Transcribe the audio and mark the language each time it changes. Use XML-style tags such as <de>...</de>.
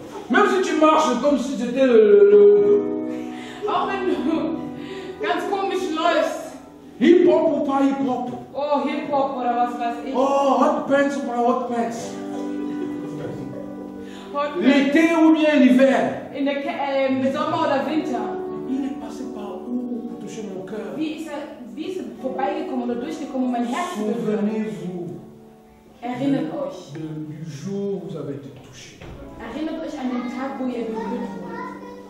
<fr>Même si tu marches comme si c'était le...</fr> <de>Oh, wenn du ganz komisch läufst.</de> <fr>Hip-hop ou pas hip-hop?</fr> <de>Oh, hip-hop oder was weiß ich.</de> <fr>Oh, hot pants ou pas hot pants? L'été ou bien l'hiver?</fr> <de>In der Sommer oder Winter?</de> <fr>Il est passé par où pour toucher mon cœur?</fr> <de>Wie ist er vorbeigekommen oder durchgekommen mein Herz?</de> <fr>Souvenez-vous.</fr> <de>Erinnert euch.</de> <fr>Du jour où vous avez été touché.</fr> <de>Erinnert euch an den Tag, wo ihr berührt wurdet.</de>